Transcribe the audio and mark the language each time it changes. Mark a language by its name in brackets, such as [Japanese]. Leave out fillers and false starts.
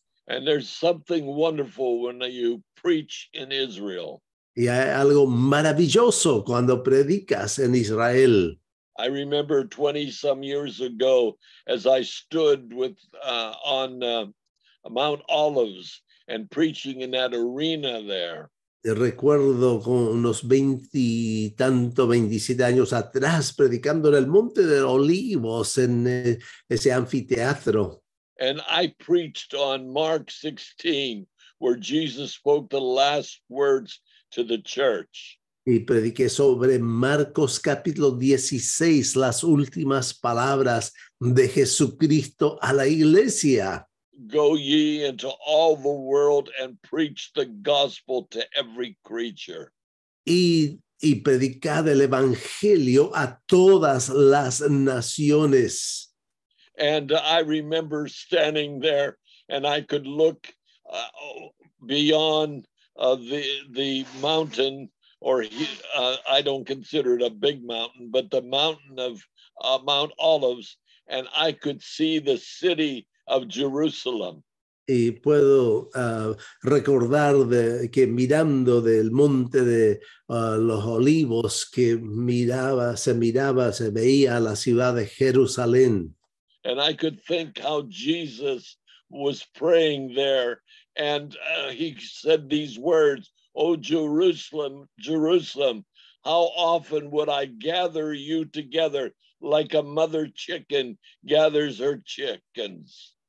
[English] And there's something wonderful when you preach in Israel. [Spanish] Y hay algo maravilloso cuando predicas en Israel. [English] I remember 20 some years ago as I stood with Mount Olives and preaching in that arena there. [Spanish] Y recuerdo con unos 20 y tanto, 27 años atrás, predicando en el Monte de Olivos, en ese anfiteatro. [English] And I preached on Mark 16, where Jesus spoke the last words to the church. [Spanish] Y prediqué sobre Marcos capítulo 16, las últimas palabras de Jesucristo a la iglesia. [English] Go ye into all the world and preach the gospel to every creature. [Spanish] Y predicad el evangelio a todas las naciones. [English] And I remember standing there and I could look beyond the mountain, or I don't consider it a big mountain, but the mountain of Mount Olives, and I could see the city of Jerusalem. [Spanish] Y puedo recordar que mirando del monte de los olivos, que miraba, se veía la ciudad de Jerusalén. [English] And I could think how Jesus was praying there. And he said these words, "Oh, Jerusalem, Jerusalem, how often would I gather you together like a mother chicken gathers her chickens."